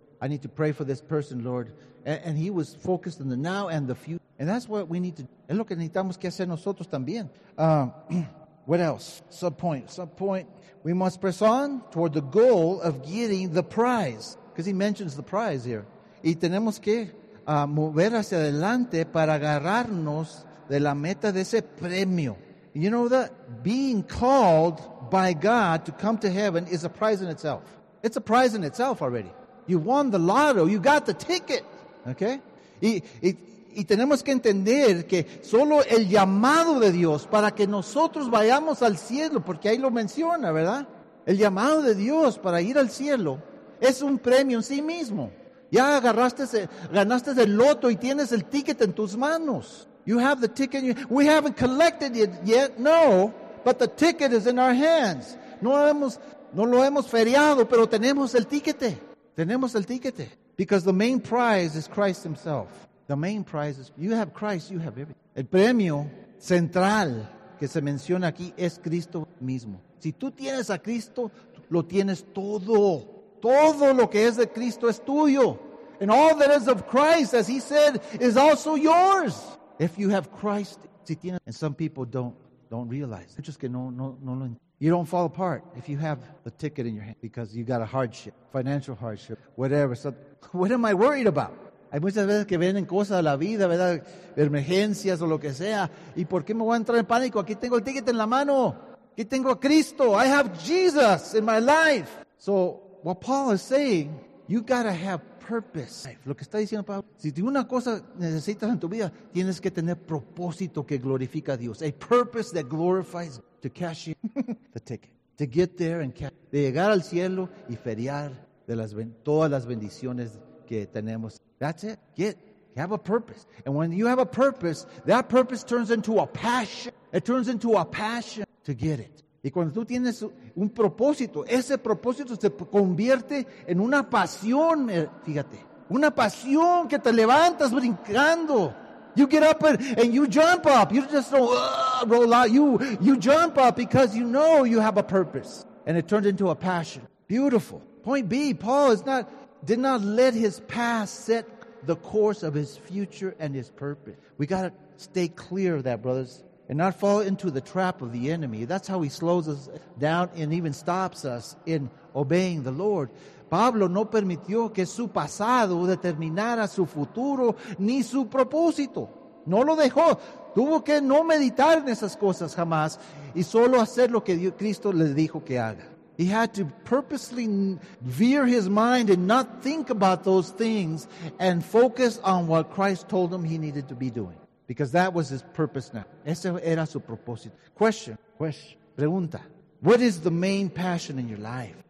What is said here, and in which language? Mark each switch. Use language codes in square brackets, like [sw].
[en] I need to pray for this person, Lord. And he was focused on the now and the future. And that's what we need to do. [es] Es lo que necesitamos que hacer nosotros también. [en] What else? Sub point. We must press on toward the goal of getting the prize. Because he mentions the prize here. [es] Y tenemos que mover hacia adelante para agarrarnos de la meta de ese premio. [en] You know that being called by God to come to heaven is a prize in itself. It's a prize in itself already. You won the lotto. You got the ticket. Okay? [es] Y tenemos que entender que solo el llamado de Dios para que nosotros vayamos al cielo, porque ahí lo menciona, ¿verdad? El llamado de Dios para ir al cielo es un premio en sí mismo. Ya ganaste el loto y tienes el ticket en tus manos. [en] You have the ticket. We haven't collected it yet, no, but the ticket is in our hands. [es] No lo hemos feriado, pero tenemos el ticket. Tenemos el ticket. [en] Because the main prize is Christ himself. The main prize is, you have Christ, you have everything. [es] El premio central que se menciona aquí es Cristo mismo. Si tú tienes a Cristo, lo tienes todo. Todo lo que es de Cristo es tuyo. [en] And all that is of Christ, as he said, is also yours. If you have Christ, [es] si tienes, [en] and some people don't realize. It's just [es] que no. [en] You don't fall apart if you have the ticket in your hand because you got a hardship, financial hardship, whatever. So, what am I worried about? [es] Hay muchas veces que vienen cosas de la vida, ¿verdad? Emergencias o lo que sea. ¿Y por qué me voy a entrar en pánico? Aquí tengo el ticket en la mano. Aquí tengo a Cristo. [en] I have Jesus in my life. So, what Paul is saying, you got to have purpose. [es] Lo que está diciendo Pablo, si una cosa necesitas en tu vida, tienes que tener propósito que glorifica a Dios. [en] A purpose that glorifies God. To cash in the ticket. To get there and cash. [es] De llegar al cielo y feriar de las todas las bendiciones que tenemos. [en] That's it. Have a purpose. And when you have a purpose, that purpose turns into a passion. It turns into a passion to get it. [es] Y cuando tú tienes un propósito, ese propósito se convierte en una pasión, fíjate. Una pasión que te levantas brincando. [en] You get up and you jump up. You just don't roll out. You jump up because you know you have a purpose. And it turned into a passion. Beautiful. Point B, Paul did not let his past set the course of his future and his purpose. We got to stay clear of that, brothers. And not fall into the trap of the enemy. That's how he slows us down and even stops us in obeying the Lord. [es] Pablo no permitió que su pasado determinara su futuro ni su propósito. No lo dejó. Tuvo que no meditar en esas cosas jamás y solo hacer lo que Cristo le dijo que haga. [en] He had to purposely veer his mind and not think about those things and focus on what Christ told him he needed to be doing. Because that was his purpose now. [es] Ese era su propósito. [en] Question. Pregunta. What is the main passion in your life?